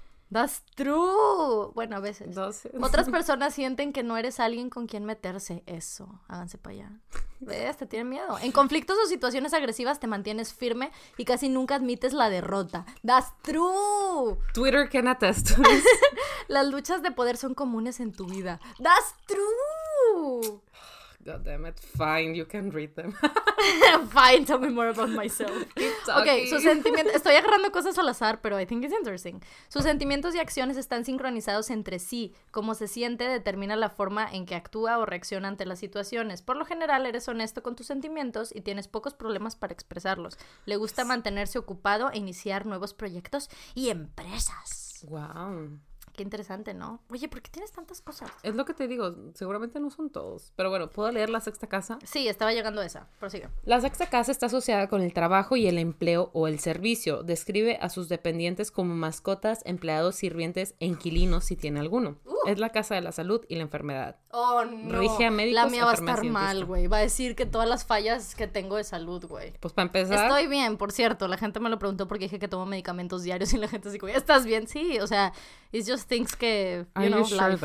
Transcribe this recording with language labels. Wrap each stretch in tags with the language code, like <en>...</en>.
<en>That's true.</en> <es>Bueno, a veces. Otras personas sienten que no eres alguien con quien meterse. Eso, háganse para allá. ¿Ves? Te tienen miedo. En conflictos o situaciones agresivas te mantienes firme y casi nunca admites la derrota.</es> <en>That's true. Twitter can attest.</en> <es>Las luchas de poder son comunes en tu vida.</es> <en>That's true. God damn it, fine, you can read them. Fine, tell me more about myself. Ok,</en> <es>sus sentimientos... Estoy agarrando cosas al azar, pero</es> <en>I think it's interesting.</en> <es>Sus sentimientos y acciones están sincronizados entre sí. Cómo se siente determina la forma en que actúa o reacciona ante las situaciones. Por lo general, eres honesto con tus sentimientos y tienes pocos problemas para expresarlos. Le gusta mantenerse ocupado e iniciar nuevos proyectos y empresas.</es> <en>Wow.</en> <es>Qué interesante, ¿no? Oye, ¿por qué tienes tantas cosas? Es lo que te digo, seguramente no son todos. Pero bueno, ¿puedo leer la sexta casa? Sí, estaba llegando a esa. Prosigue. La sexta casa está asociada con el trabajo y el empleo o el servicio. Describe a sus dependientes como mascotas, empleados, sirvientes e inquilinos, si tiene alguno. Es la casa de la salud y la enfermedad. ¡Oh, no! Rige a médicos. La mía va a estar mal, güey. Va a decir que todas las fallas que tengo de salud, güey. Pues para empezar... Estoy bien, por cierto. La gente me lo preguntó porque dije que tomo medicamentos diarios y la gente así como, ¿estás bien? Sí, o sea,</es> <en>it's just things</en> <es>que,</es> <en>you know, life.</en>